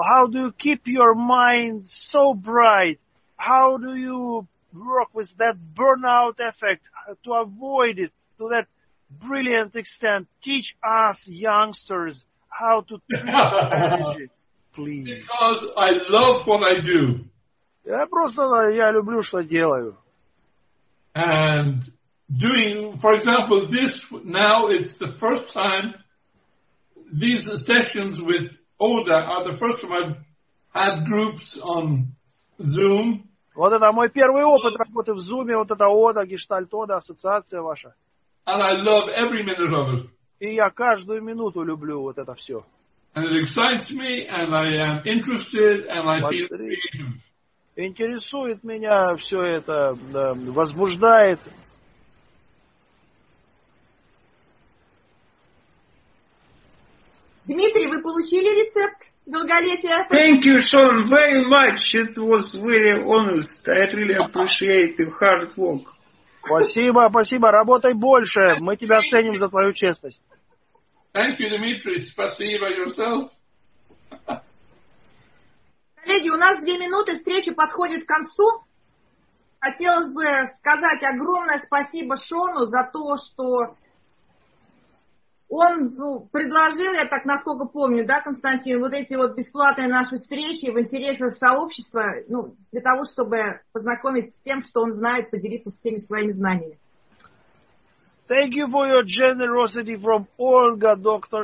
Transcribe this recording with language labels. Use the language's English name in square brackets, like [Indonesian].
[English] How do you keep your mind so bright? How do you work with that burnout effect to avoid it to that brilliant extent? Teach us youngsters how to treat energy, please. Because I love what I do. [Russian] Я просто я люблю что делаю. [English] And doing, for example, this now it's the first time these sessions with Oda are the first time I've had groups on Zoom. [Russian] Вот это мой первый опыт работы в Zoom, вот это Oda, Гештальт Oda, ассоциация ваша. [English] And I love every minute of it. [Russian] И я каждую минуту люблю вот это все. [English] And it excites me, and I am interested, and I feel creative. [Russian] Интересует меня все это, возбуждает. Дмитрий, вы получили рецепт долголетия? [English] Thank you, Sean, very much. It was really honest. I really appreciate your hard work. [Russian] Спасибо, спасибо. Работай больше. Мы тебя ценим за твою честность. [English] Thank you, Dmitry. [Russian] Спасибо, [English] yourself. [Russian] Коллеги, у нас две минуты, встреча подходит к концу. Хотелось бы сказать огромное спасибо Шону за то, что он предложил, я так насколько помню, да, Константин, вот эти вот бесплатные наши встречи в интересах сообщества, ну, для того, чтобы познакомиться с тем, что он знает, поделиться всеми своими знаниями. [English] Thank you for your generosity from Olga, Dr.